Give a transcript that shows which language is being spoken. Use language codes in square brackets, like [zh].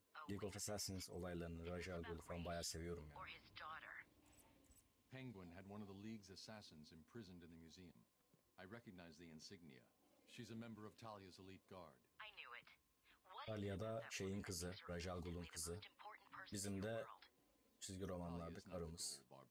[tr] League of Assassins olaylarını Ra's al Ghul'u falan bayağı seviyorum ya. Yani. [en] Penguin had one of the League's assassins imprisoned in the museum. I recognize the insignia. She's a member of Talia's elite guard. I knew it. [tr] Talia da şeyin kızı, Ra's al Ghul'un kızı. Bizim de çizgi romanlarda karımız.